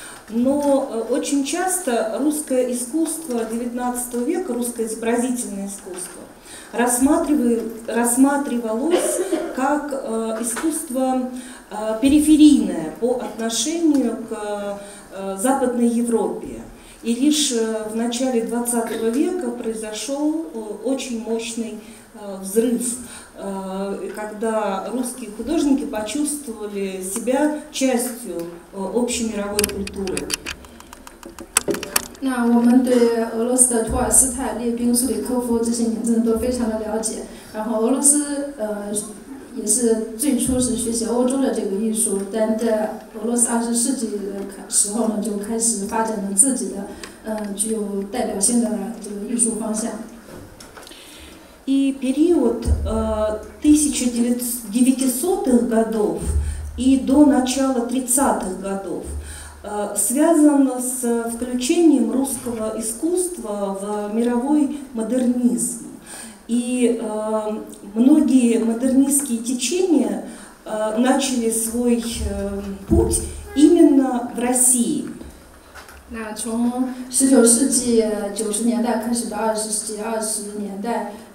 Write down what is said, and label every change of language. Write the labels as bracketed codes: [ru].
[ru] Но очень часто русское искусство XIX века, русское изобразительное искусство, рассматривалось как искусство периферийное по отношению к Западной Европе. И лишь в начале XX века произошел очень мощный взрыв, когда русские художники почувствовали себя частью общей мировой культуры. [zh] 那我们对俄罗斯的托尔斯泰、列宾、苏里科夫这些名字都非常的了解。然后俄罗斯也是最初是学习欧洲的这个艺术，但在俄罗斯20世纪的时候呢，就开始发展了自己的具有代表性的这个艺术方向。 [ru] И период 1900-х годов и до начала 30-х годов связан с включением русского искусства в мировой модернизм. И многие модернистские течения начали свой путь именно в России. [zh] 那从19世纪90年代开始到20世纪20年代，